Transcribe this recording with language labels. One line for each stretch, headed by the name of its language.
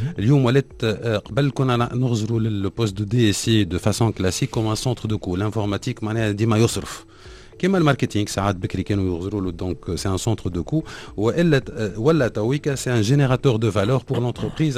Arabic: اليوم ولات قبل كنا نغزروا للبوست
French: دو DSI de façon classique comme un centre de coût.
Arabic: L'informatique معناها ديما يصرف كيما الماركتينغ ساعات بكري كانوا يغزروا له.
French: Donc c'est un centre de coût
Arabic: ولا تويكا
French: c'est un générateur de valeur pour l'entreprise.